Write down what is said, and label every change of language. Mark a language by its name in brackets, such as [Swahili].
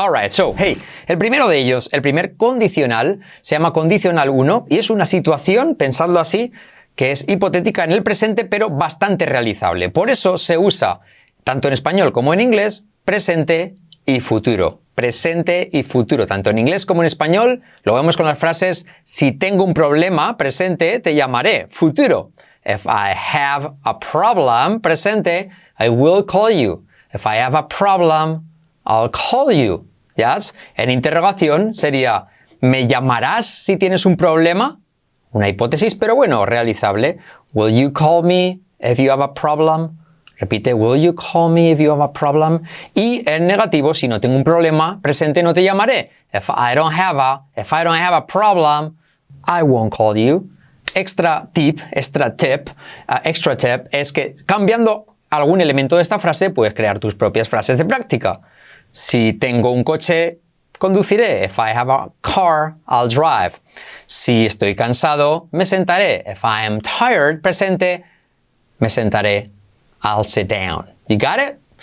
[English] All right, so, hey, [Spanish] el primero de ellos, el primer condicional, se llama condicional 1 y es una situación, pensadlo así, que es hipotética en el presente, pero bastante realizable. Por eso se usa, tanto en español como en inglés, presente y futuro. Presente y futuro. Tanto en inglés como en español, lo vemos con las frases, si tengo un problema, presente, te llamaré. Futuro. [English] If I have a problem, presente, I will call you. If I have a problem, I'll call you. ¿Yes? [Spanish] En interrogación sería, ¿me llamarás si tienes un problema? Una hipótesis, pero bueno, realizable. [English] Will you call me if you have a problem? Repite, will you call me if you have a problem? [Spanish] Y en negativo, si no tengo un problema, presente no te llamaré. [English] If I don't have a problem, I won't call you. [Spanish] Extra tip es que cambiando algún elemento de esta frase, puedes crear tus propias frases de práctica. Si tengo un coche, conduciré. [English] If I have a car, I'll drive. [Spanish] Si estoy cansado, me sentaré. [English] If I am tired, presente, [Spanish] me sentaré. [English] I'll sit down. You got it?